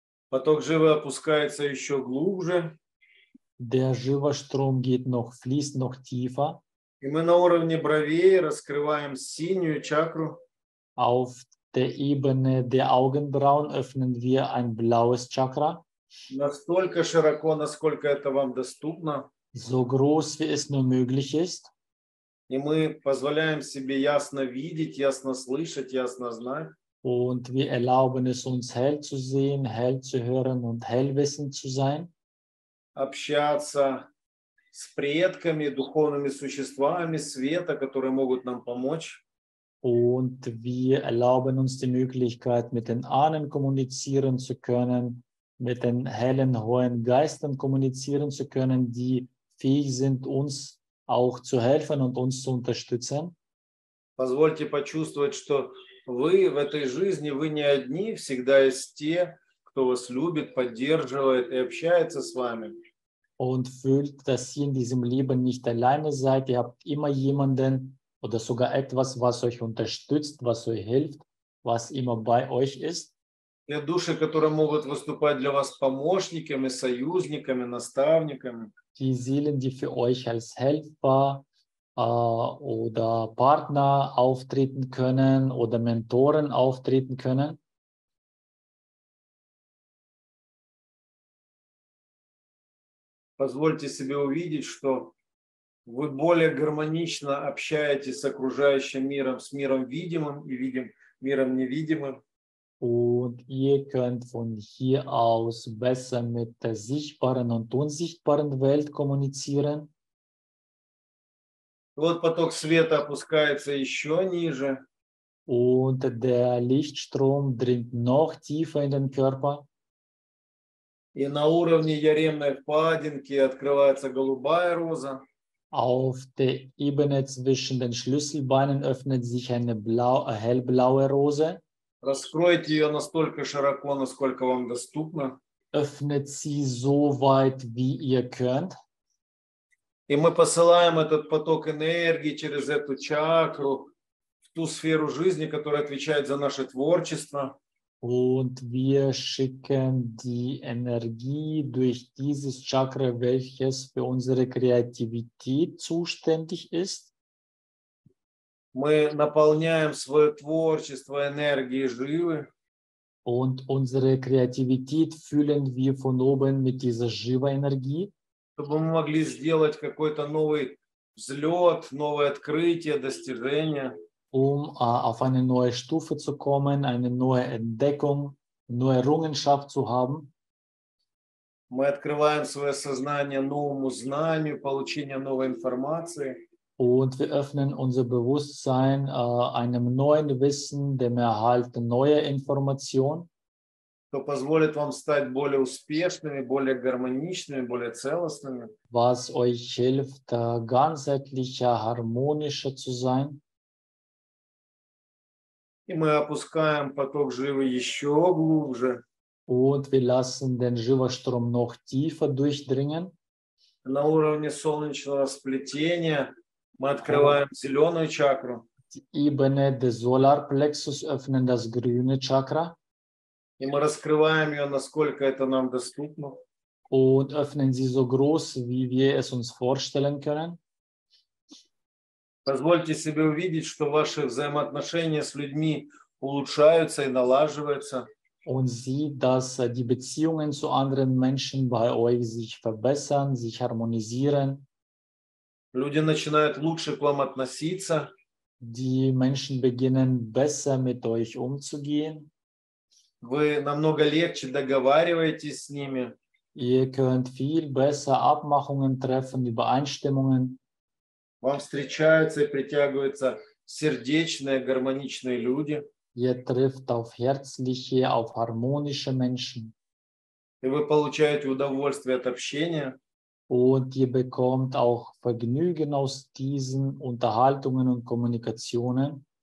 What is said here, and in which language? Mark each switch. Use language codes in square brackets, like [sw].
[ru] Поток живы опускается еще глубже. [de] Der Jiva-Strom geht noch, fließt noch tiefer. [ru] И мы на уровне бровей раскрываем синюю чакру. [de] Auf der Ebene der Augenbrauen öffnen wir ein blaues Chakra. [ru] Настолько широко, насколько это вам доступно. [de] So groß, wie es nur möglich ist. [ru] И мы позволяем себе ясно видеть, ясно слышать, ясно знать. [de] Und wir erlauben es uns, hell zu sehen, hell zu hören und hellwissend zu sein. [ru] Общаться с предками, духовными существами света, которые могут нам помочь. [de] Und wir erlauben uns die Möglichkeit, mit den Ahnen kommunizieren zu können, mit den hellen, hohen Geistern kommunizieren zu können, die fähig sind, uns auch zu helfen und uns zu unterstützen. [ru] Позвольте почувствовать, что вы в этой жизни, вы не одни, всегда есть те, кто вас любит, поддерживает и общается с вами. [de] Und fühlt, dass ihr in diesem Leben nicht alleine seid, ihr habt immer jemanden oder sogar etwas, was euch unterstützt, was euch hilft, was immer bei euch ist. [ru] Те души, которые могут выступать для вас помощниками, союзниками, наставниками. [de] Die Seelen, die für euch als Helfer oder Partner auftreten können oder Mentoren auftreten können. [ru] Позвольте себе увидеть, что вы более гармонично общаетесь с окружающим миром, с миром видимым и видим, миром невидимым. [de] Und ihr könnt von hier aus besser mit der sichtbaren und unsichtbaren Welt kommunizieren. [ru] Вот поток света опускается еще ниже. [de] Und der Lichtstrom dringt noch tiefer in den Körper. [ru] И на уровне яремной впадинки открывается голубая роза. [de] Auf der Ebene zwischen den Schlüsselbeinen öffnet sich eine hellblaue Rose. [ru] Раскройте ее настолько широко, насколько вам доступно. [de] Öffnet sie so weit, wie ihr könnt. [ru] И мы посылаем этот поток энергии через эту чакру в ту сферу жизни, которая отвечает за наше творчество. [de] Und wir schicken die Energie durch dieses Chakra, welches für unsere Kreativität zuständig ist. [ru] Мы наполняем свое творчество энергией живы. [de] Und unsere Kreativität füllen wir von oben mit dieser живой Energie. [ru] Чтобы мы могли сделать какой-то новый взлет, новое открытие, достижение. [de] Um auf eine neue Stufe zu kommen, eine neue Entdeckung, neue Errungenschaft zu haben. [ru] Мы открываем свое сознание новому знанию, получению новой информации. [de] Und wir öffnen unser Bewusstsein einem neuen Wissen, dem Erhalt neuer Informationen. [ru] Что позволит вам стать более успешными, более гармоничными, более целостными. [de] Was euch hilft, ganzheitlicher, harmonischer zu sein. [ru] И мы опускаем поток живы еще глубже. [de] Und wir lassen den Jiva-Strom noch tiefer durchdringen. [ru] На уровне солнечного сплетения мы открываем зеленую чакру. [de] Die Ebene des Solar Plexus öffnen das grüne Chakra. [ru] И мы раскрываем ее, насколько это нам доступно. [de] Und öffnen sie so groß, wie wir es uns vorstellen können. [ru] Позвольте себе увидеть, что ваши взаимоотношения с людьми улучшаются и налаживаются. [de] Und sieht, dass die Beziehungen zu anderen Menschen bei euch sich verbessern, sich harmonisieren. [ru] Люди начинают лучше к вам относиться. [de] Die Menschen beginnen besser mit euch umzugehen. [ru] Вы намного легче договариваетесь с ними. [de] Ihr könnt viel besser Abmachungen treffen, Übereinstimmungen. [ru] Вам встречаются и притягиваются сердечные, гармоничные люди. [de] Ihr trifft auf herzliche, auf harmonische Menschen. [ru] И вы получаете удовольствие от общения. [de] Und ihr bekommt auch Vergnügen aus diesen Unterhaltungen und Kommunikationen.